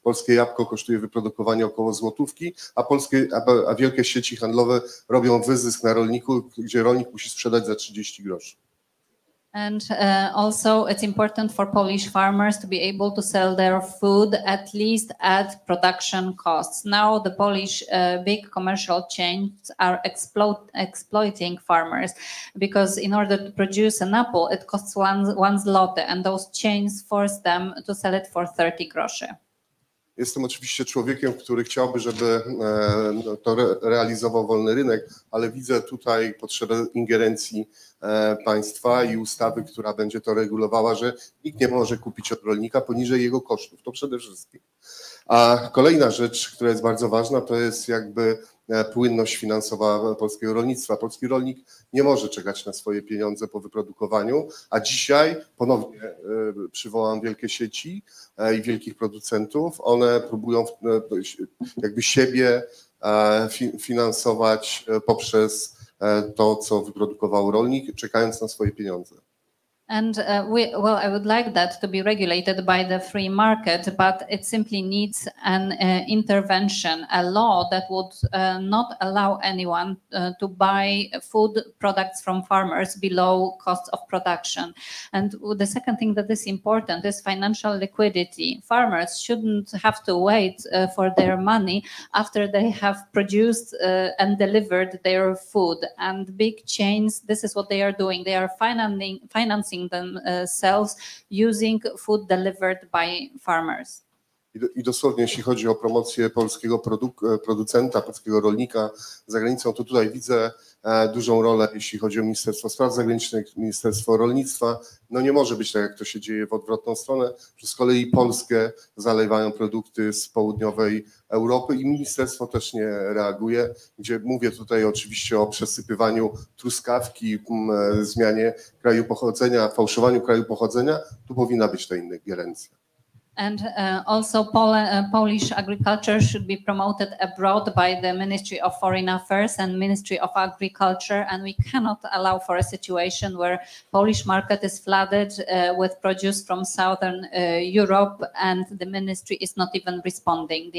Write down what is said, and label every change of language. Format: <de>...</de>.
<pl>Polskie jabłko kosztuje wyprodukowanie około złotówki, a wielkie sieci handlowe robią wyzysk na rolniku, gdzie rolnik musi sprzedać za 30 groszy.</pl> <en>And also it's important for Polish farmers to be able to sell their food at least at production costs. Now the Polish big commercial chains are exploiting farmers, because in order to produce an apple it costs one złoty, and those chains force them to sell it for 30 groszy.</en> <pl>Jestem oczywiście człowiekiem, który chciałby, żeby to realizował wolny rynek, ale widzę tutaj potrzebę ingerencji państwa i ustawy, która będzie to regulowała, że nikt nie może kupić od rolnika poniżej jego kosztów, to przede wszystkim. A kolejna rzecz, która jest bardzo ważna, to jest jakby płynność finansowa polskiego rolnictwa. Polski rolnik nie może czekać na swoje pieniądze po wyprodukowaniu, a dzisiaj ponownie przywołam wielkie sieci i wielkich producentów. One próbują jakby siebie finansować poprzez to, co wyprodukował rolnik, czekając na swoje pieniądze.</pl> <en>And I would like that to be regulated by the free market, but it simply needs an intervention, a law that would not allow anyone to buy food products from farmers below cost of production. And the second thing that is important is financial liquidity. Farmers shouldn't have to wait for their money after they have produced and delivered their food. And big chains, this is what they are doing. They are financing themselves using food delivered by farmers.</en> <pl>I dosłownie, jeśli chodzi o promocję polskiego producenta, polskiego rolnika za granicą, to tutaj widzę dużą rolę, jeśli chodzi o Ministerstwo Spraw Zagranicznych, Ministerstwo Rolnictwa. No nie może być tak, jak to się dzieje w odwrotną stronę, że z kolei Polskę zalewają produkty z południowej Europy i ministerstwo też nie reaguje, gdzie mówię tutaj oczywiście o przesypywaniu truskawki, zmianie kraju pochodzenia, fałszowaniu kraju pochodzenia. Tu powinna być ta ingerencja.</pl> <en>And also Polish agriculture should be promoted abroad by the Ministry of Foreign Affairs and Ministry of Agriculture, and we cannot allow for a situation where Polish market is flooded with produce from southern Europe and the ministry is not even responding.</en>